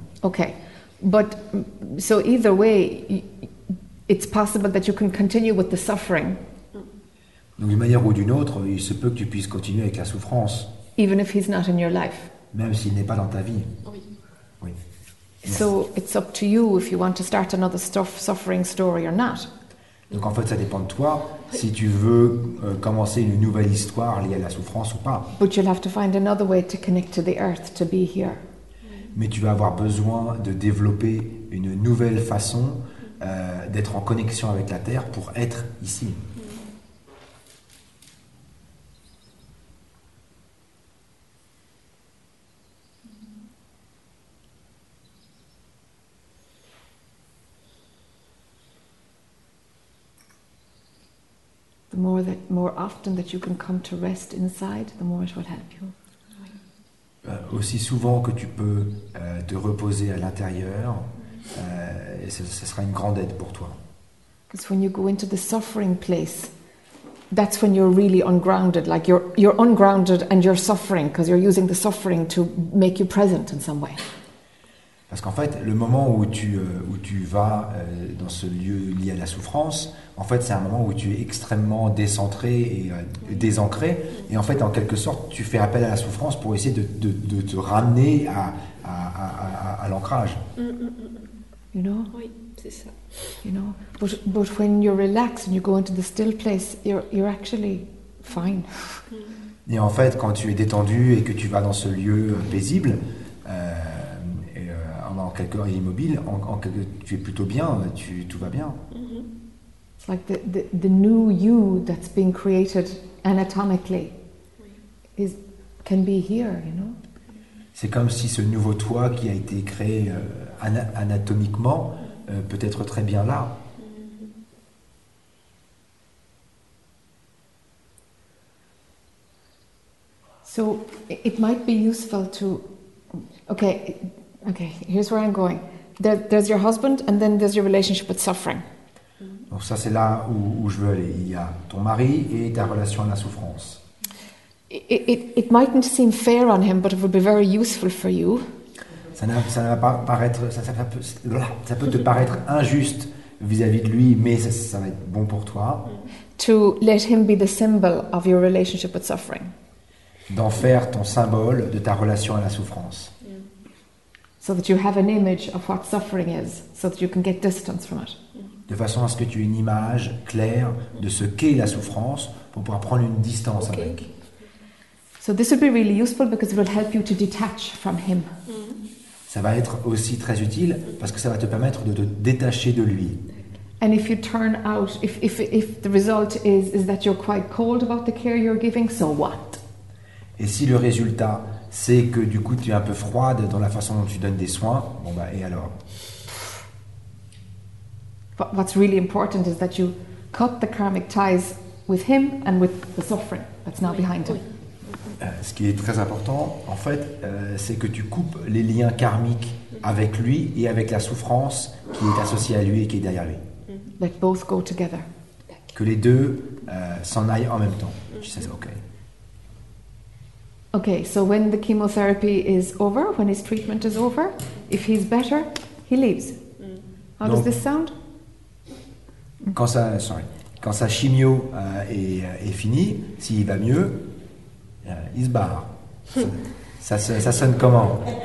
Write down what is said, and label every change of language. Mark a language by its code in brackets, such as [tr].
[en] Okay, but so either way, it's possible that you can continue with the suffering. [fr] Donc d'une manière ou d'une autre, il se peut que tu puisses continuer avec la souffrance. [en] Even if he's not in your life. [fr] Même s'il n'est pas dans ta vie. Oui. Oui. [en] So it's up to you if you want to start another suffering story or not. [fr] Donc en fait, ça dépend de toi si tu veux commencer une nouvelle histoire liée à la souffrance ou pas. [en] But you'll have to find another way to connect to the earth to be here. [fr] Mais tu vas avoir besoin de développer une nouvelle façon d'être en connexion avec la Terre pour être ici. [en] The more often that you can come to rest inside, the more it will help you. [fr] Aussi souvent que tu peux te reposer à l'intérieur, ça sera une grande aide pour toi. [en] Because when you go into the suffering place, that's when you're really ungrounded. Like you're ungrounded and you're suffering because you're using the suffering to make you present in some way. [fr] Parce qu'en fait, le moment où tu vas dans ce lieu lié à la souffrance, en fait, c'est un moment où tu es extrêmement décentré et désancré. Et en fait, en quelque sorte, tu fais appel à la souffrance pour essayer de te ramener à l'ancrage. [en] You know? [fr] Oui, c'est ça. [en] You know? But when you're relaxed and you go into the still place, you're actually fine. [fr] Et en fait, quand tu es détendu et que tu vas dans ce lieu paisible, en quelque sorte immobile, tu es plutôt bien, tout va bien. [en] It's like the new you that's being created anatomically is can be here, you know. [fr] C'est comme si ce nouveau toi qui a été créé anatomiquement peut être très bien là. [en] So it might be useful to okay, here's where I'm going. There's your husband and then there's your relationship with suffering. [fr] Donc ça c'est là où je veux aller. Il y a ton mari et ta relation à la souffrance. [en] It mightn't seem fair on him, but it would be very useful for you. [fr] Ça peut te paraître injuste vis-à-vis de lui, mais ça va être bon pour toi. [en] To let him be the symbol of your relationship with suffering. [fr] D'en faire ton symbole de ta relation à la souffrance. [en] So that you have an image of what suffering is, so that you can get distance from it. [fr] De façon à ce que tu aies une image claire de ce qu'est la souffrance pour pouvoir prendre une distance okay. avec. [en] So this would be really useful because it will help you to detach from him. [fr] Ça va être aussi très utile parce que ça va te permettre de te détacher de lui. [en] And if you turn out, if the result is that you're quite cold about the care you're giving, so what? [fr] Et si le résultat c'est que du coup tu es un peu froide dans la façon dont tu donnes des soins, bon bah et alors? [en] But what's really important is that you cut the karmic ties with him and with the suffering that's now behind him. [fr] Ce qui est très important, en fait, c'est que tu coupes les liens karmiques avec lui et avec la souffrance qui est associée à lui et qui est derrière lui. [en] Let both go together. [fr] Que les deux s'en aillent en même temps. [en] She says, okay. Okay, so when the chemotherapy is over, when his treatment is over, if he's better, he leaves. How does this sound? [fr] Quand sa chimio est finie, s'il va mieux, il se barre. Ça sonne comment?